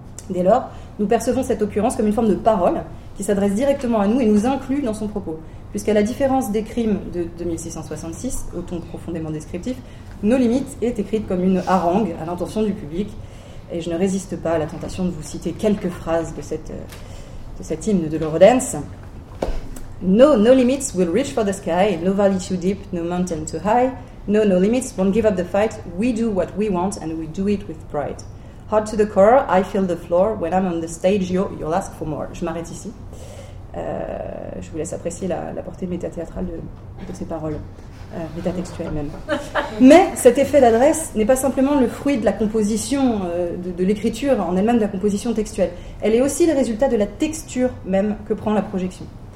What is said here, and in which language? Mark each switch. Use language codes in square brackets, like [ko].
[fr] Dès lors, nous percevons cette occurrence comme une forme de parole qui s'adresse directement à nous et nous inclut dans son propos, puisqu'à la différence des crimes de 2666, au ton profondément descriptif, No Limits est écrite comme une harangue à l'intention du public, et je ne résiste pas à la tentation de vous citer quelques phrases de cet hymne de l'Eurodance. [en] No limits will reach for the sky, no valley too deep, no mountain too high. No limits won't give up the fight, we do what we want and we do it with pride. Heart to the core, I feel the floor, when I'm on the stage, you'll ask for more. [fr] Je m'arrête ici. Je vous laisse apprécier la portée métathéâtrale de ces paroles. Métatextuelle même. Mais cet effet d'adresse n'est pas simplement le fruit de la composition, de l'écriture en elle-même, de la composition textuelle. Elle est aussi le résultat de la texture même que prend la projection.